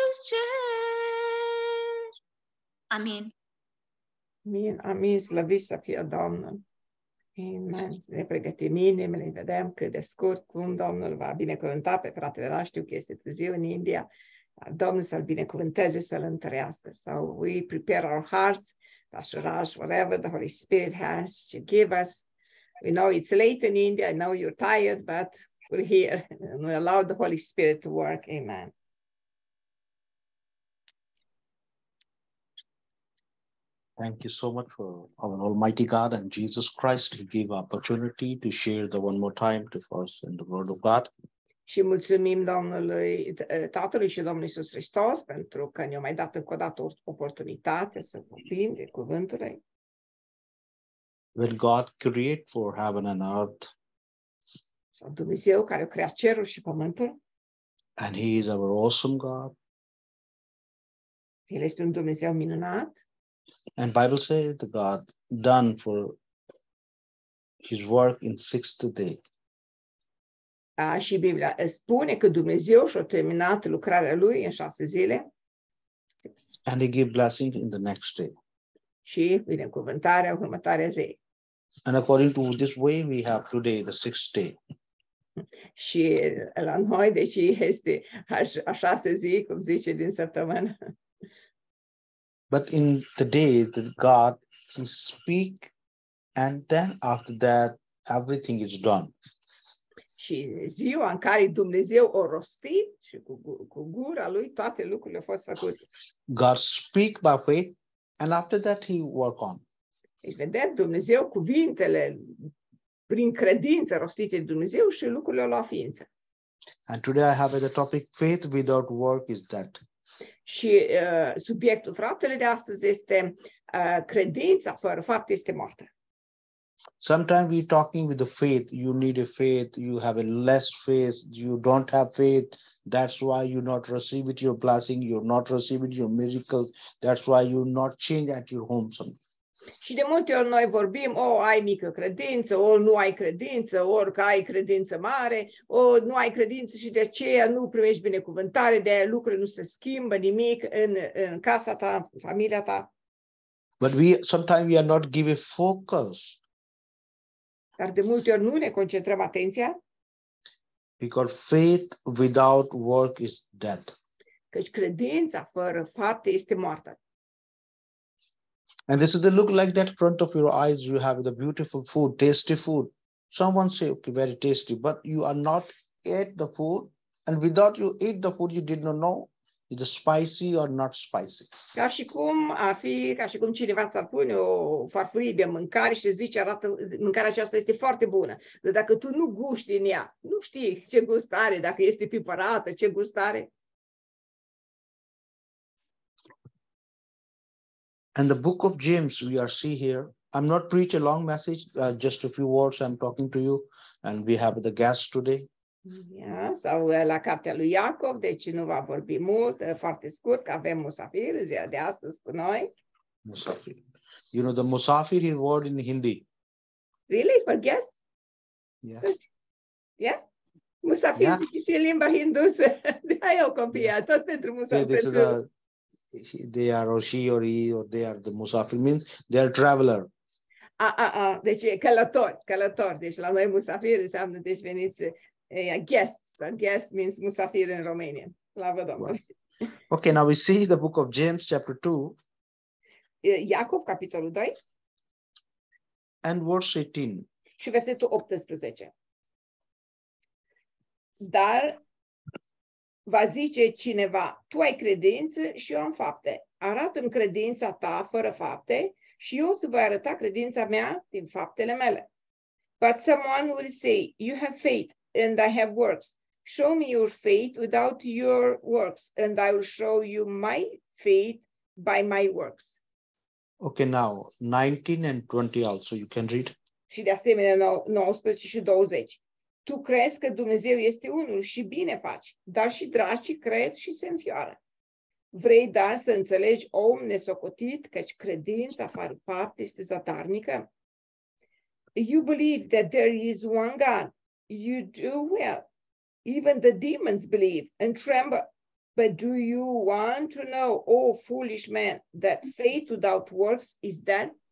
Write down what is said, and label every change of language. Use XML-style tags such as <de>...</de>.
<ro>mers cer. Amin. Amin, amin, slăvit să fie Domnul. Amen. Ne pregătim inimile, vedem cât de scurt, cum Domnul va binecuvânta pe fratele nostru, știu că este târziu în India, Domnul să-l binecuvânteze, să-l întărească.</ro> <en>So we prepare our hearts, Pastoraj, whatever the Holy Spirit has to give us. We know it's late in India, I know you're tired, but we're here and we allow the Holy Spirit to work. Amen. Thank you so much for our Almighty God and Jesus Christ to give opportunity to share the one more time to us in the Word of God.</en> <ro>Și mulțumim Domnului Tatălui și Domnului Iisus Hristos pentru că ne-a mai dat încă o dată oportunitate să vorbim de cuvântul lui.</ro> <en>When God created for heaven and earth.</en> <ro>Sau Dumnezeu care a creat cerul și pământul.</ro> <en>And he is our awesome God.</en> <ro>El este un Dumnezeu minunat.</ro> <en>And Bible says the God done for his work in sixth day.</en> <ro>Și Biblia spune că Dumnezeu și-a terminat lucrarea lui în șase zile.</ro> <en>And he gave blessing in the next day.</en> <ro>Și binecuvântarea în următoarea zi.</ro> <en>And according to this way we have today the sixth day.</en> <ro>Și la noi deci este a șase zi, cum zice din săptămână.</ro> <en>But in the days that God he speak and then after that everything is done.</en> <ro>Și ziua în care Dumnezeu a rostit și cu gura lui toate lucrurile au fost făcute.</ro> <en>God speak by faith and after that he work on.</en> <ro>Și vedem Dumnezeu cuvintele prin credință rostite de Dumnezeu și lucrurile au luat ființă.</ro> <en>And today I have the topic faith without work is dead.</en> <ro>Și subiectul fratele de astăzi este credința fără fapt este moartă.</ro> <en>Sometimes we're talking with the faith, you need a faith, you have a less faith, you don't have faith, that's why you're not receiving your blessing, you're not receiving your miracles, that's why you're not changed at your home.</en> <ro>Și de multe ori noi vorbim, o, ai mică credință, o, nu ai credință, ori că ai credință mare, o, nu ai credință și de aceea nu primești binecuvântare, de aia lucrurile nu se schimbă nimic în casa ta, în familia ta.</ro> <en>But sometimes we are not giving focus.</en> <ro>Dar de multe ori nu ne concentrăm atenția.</ro> <en>Because faith without work is dead.</en> <ro>Căci credința fără fapte este moartă.</ro> <en>And this is the look like that in front of your eyes. You have the beautiful food, tasty food. Someone say, okay, very tasty. But you are not eat the food. And without you eat the food, you did not know. Is it spicy or not spicy?</en> <ro>Ca și cum ar fi, ca și cum cineva ți-ar pune o farfurie de mâncare și zice, arată, mâncarea aceasta este foarte bună. Dar dacă tu nu gusti din ea, nu știi ce gust are, dacă este pipărată, ce gust are.</ro> <en>And the book of James, we are see here. I'm not preaching a long message, just a few words I'm talking to you. And we have the guest today.</en> <ro>Yeah, sau la cartea lui Iacov, deci nu va vorbi mult, foarte scurt, că avem musafir ziua de astăzi cu noi.</ro> <en>Musafir. You know, the musafir is word in Hindi. Really? For guest? Yeah. Yeah? Musafir yeah.</en> <ro>Zice și în limba hindusă. De-aia o copie, yeah. Tot pentru musafir. Yeah,</ro> <en>they are or she or he or they are the musafir means they are traveler.</en> <ro>Deci călător. Deci la noi musafir înseamnă, deci veniți...</ro> <en>guests. A guest means musafir in Romanian.</en> <ro>Slavă Domnului.</ro> <en>Okay, now we see the book of James, chapter 2.</en> <ro>Iacov, capitolul 2.</ro> <en>And verse 18.</en> <ro>Și versetul 18. Dar va zice cineva, tu ai credință și eu am fapte. Arată-mi credința ta fără fapte și eu îți voi arăta credința mea din faptele mele.</ro> <en>But someone will say, you have faith. And I have works. Show me your faith without your works, and I will show you my faith by my works. Okay, now 19 and 20 also, you can read.</en> <ro>Și de asemenea 19 și 20. Tu crezi că Dumnezeu este unul și bine faci, dar și dracii cred și se înfioară. Vrei dar să înțelegi, om nesocotit, căci credința fără fapte este zadarnică?</ro> <en>You believe that there is one God. You do well. Even the demons believe and tremble. But do you want to know, oh foolish man, that faith without works is dead?</en>